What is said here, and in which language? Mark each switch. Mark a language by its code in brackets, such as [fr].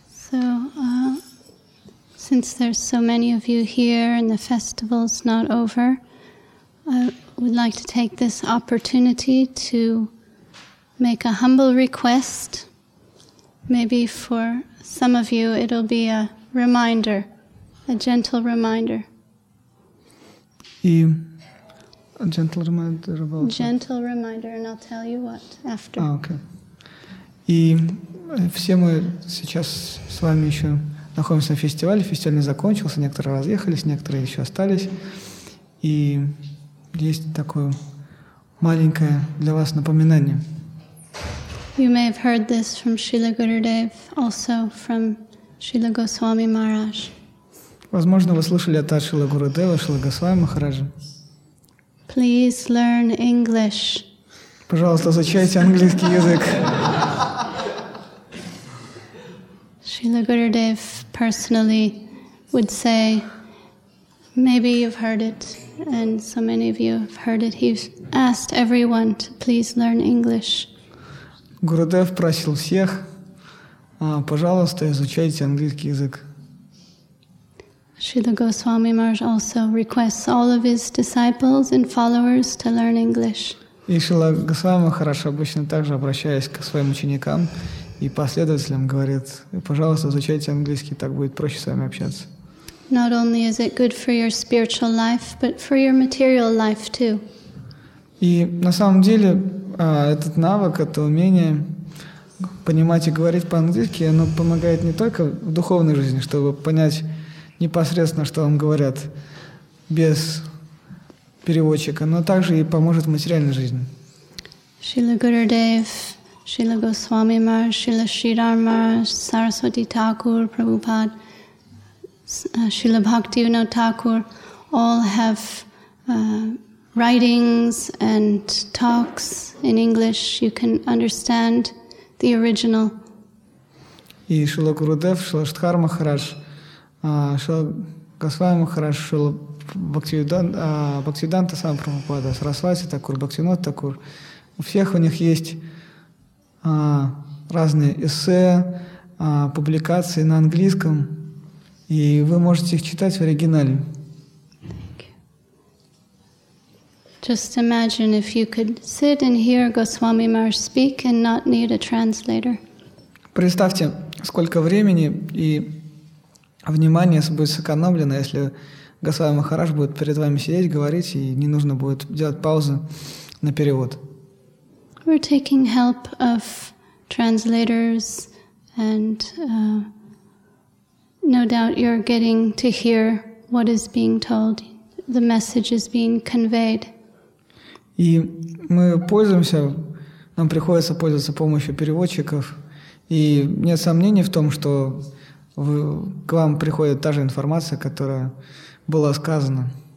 [en] So since there's so many of you here and the festival's not over, I would like to take this opportunity to make a humble request. Maybe for some of you it'll be a reminder, a gentle reminder. Gentle reminder, and I'll tell you what after. [ru] И все мы сейчас с вами еще находимся на фестивале. Фестиваль не закончился, некоторые разъехались, некоторые еще остались. И есть такое маленькое для вас напоминание. [en] You may have heard this from Srila Gurudev, also from Srila Goswami Maharaj. [ru] Возможно, вы слышали это от Шрилы Гурудева, Шрилы Госвами Махараджа. [en] Please learn English. [ru] Пожалуйста, изучайте английский язык. [en] Srila Gurudev personally would say, maybe you've heard it, and so many of you have heard it, he's asked everyone to please learn English. [ru] Гурудев просил всех, пожалуйста, изучайте английский язык. [en] Srila Goswami Maharaj also requests all of his disciples and followers to learn English. [ru] И Шрила Госвами Махарадж обычно также обращаясь к своим ученикам и последователям говорит: пожалуйста, изучайте английский, так будет проще с вами общаться. [en] Not only is it good for your spiritual life, but for your material life too. [ru] И на самом деле этот навык, это умение понимать и говорить по-английски, оно помогает не только в духовной жизни, чтобы понять непосредственно, что вам говорят без переводчика, но также и поможет в материальной жизни. [en] Srila Gurudev, Srila Goswami Maharaj, Srila Sridhar Maharaj, Saraswati Thakur, Prabhupada, Srila Bhaktivinoda Thakur all have writings and talks in English. You can understand the original. [ru] И Srila Gurudev, Srila Sridhar Maharaj, Шрила Госвами Махарадж, Шрила Бхактивиданта Самапрабхупада, Сарасвати Такур, Бхактивинода Такур. У всех у них есть разные эссе, публикации на английском, и вы можете их читать в оригинале. [en] Just imagine if you could sit and hear Goswami Maharaj speak and not need a translator. [ru] Представьте, сколько времени и внимание будет сэкономлено, если Госвами Махарадж будет перед вами сидеть, говорить, и не нужно будет делать паузы на перевод. [en] We're taking help of translators, and no doubt you're getting to hear what is being told. The message is being conveyed. [ru] И мы пользуемся, нам приходится пользоваться помощью переводчиков, и нет сомнений в том, что к вам приходит та же информация, которая была сказана.